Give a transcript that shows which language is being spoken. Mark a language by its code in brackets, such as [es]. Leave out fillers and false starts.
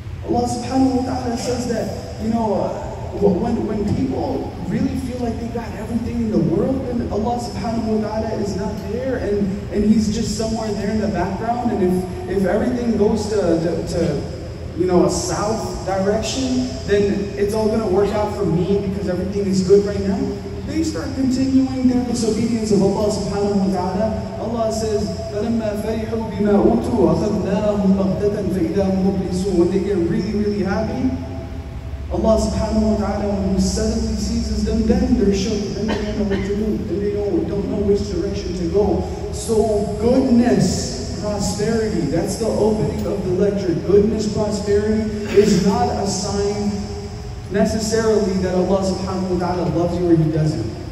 [en] Allah subhanahu wa ta'ala says that, you know, when people really feel like they got everything in the world, then Allah subhanahu wa ta'ala is not there, and He's just somewhere there in the background, and if everything goes to you know, a south direction, then it's all going to work out for me because everything is good right now. They start continuing their disobedience of Allah subhanahu wa ta'ala. Allah says, [ar] فَلَمَّا فَرِحُوا بِمَا أُوتُوا أَخَذْنَاهُمْ بَغْتَةً فَإِذَا هُمْ مُبْلِسُونَ. [en] When they get really, really happy, Allah subhanahu wa ta'ala, when He suddenly seizes them, then they're shook. Then they don't know what to do. Then they don't know which direction to go. So goodness, prosperity, that's the opening of the lecture. Goodness, prosperity is not a sign necessarily that Allah subhanahu wa ta'ala loves you or He doesn't.